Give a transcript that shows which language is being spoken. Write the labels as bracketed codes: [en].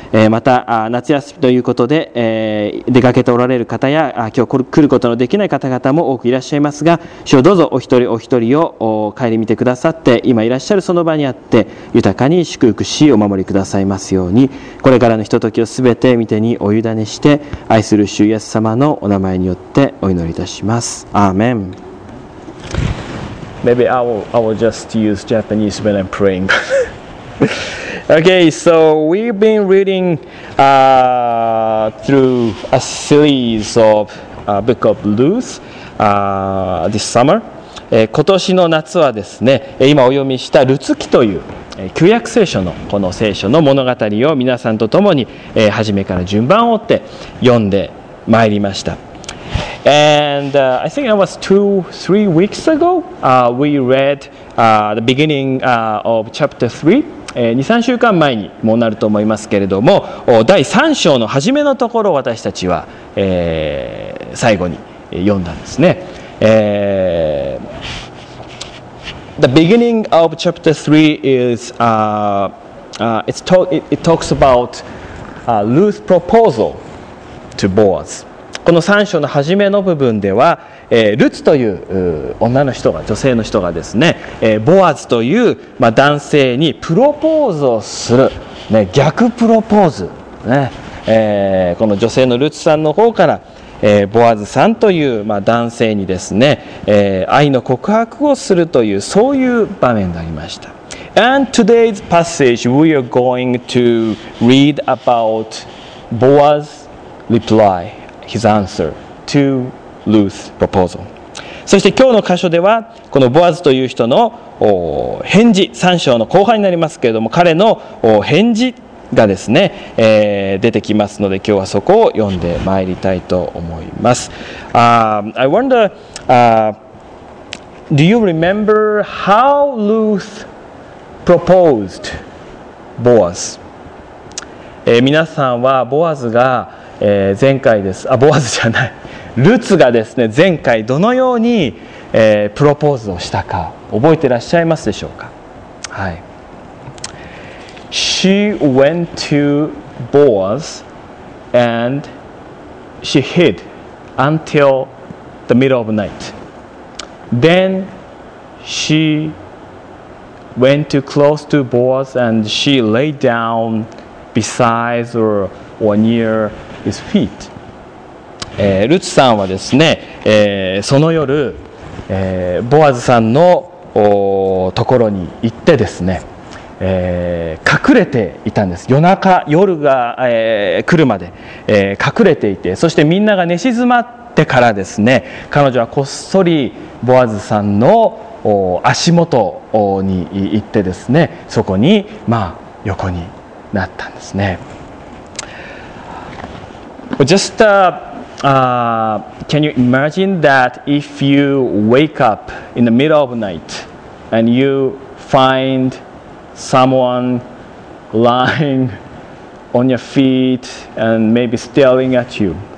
[ja] また夏休みということで出かけておられる方や今日来ることのできない方々も多くいらっしゃいますが、主よ、どうぞお一人お一人を帰り見てくださって、今いらっしゃるその場にあって豊かに祝福しお守りくださいますように、これからのひとときをすべて御手にお委ねして、愛する主イエス様のお名前によってお祈りいたします。アーメン。 [en] Maybe I will just use Japanese when I'm praying. Okay, so we've been reading through a series of Book of Ruth this summer. [ja] 今年の夏はですね、今お読みしたルツ記という旧約聖書のこの聖書の物語を皆さんと共に初めから順番を追って読んでまいりました。 [en] And I think it was two, 3 weeks ago, we read the beginning of chapter 3. [ja] 2、3週間前にもなると思いますけれども、第3章の初めのところを私たちは、最後に読んだんですね。 [en] The beginning of chapter 3 is it talks about Ruth's proposal to Boaz. [ja] この3章の初めの部分ではルツという女の人が、女性の人がですね、ボアズという、まあ、男性にプロポーズをする、ね、逆プロポーズ、ね、この女性のルツさんの方から、ボアズさんという、まあ、男性にですね、愛の告白をするという、そういう場面になりました。 [en] And today's passage we are going to read about Boaz's reply, his answer toLuth proposal. [ja] そして今日の箇所ではこのボアズという人の返事、3章の後半になりますけれども、彼の返事がですね、出てきますので、今日はそこを読んでまいりたいと思います。 [en] I wonder, do you remember how Luth proposed Boaz? [ja] 皆さんはボアズが、前回です、あ、ボアズじゃない、ルツがですね、前回どのように、プロポーズをしたか覚えてらっしゃいますでしょうか。はい。 [en] She went to Boaz and she hid until the middle of night. Then she went to close to Boaz and she lay down beside or near his feet. [ja] ルツさんはですね、その夜、ボアズさんのところに行ってですね、隠れていたんです。夜中、夜が、来るまで、隠れていて、そしてみんなが寝静まってからですね、彼女はこっそりボアズさんの足元に行ってですね、そこに、まあ、横になったんですね。 [en] Just a can you imagine that if you wake up in the middle of the night and you find someone lying on your feet and maybe staring at you?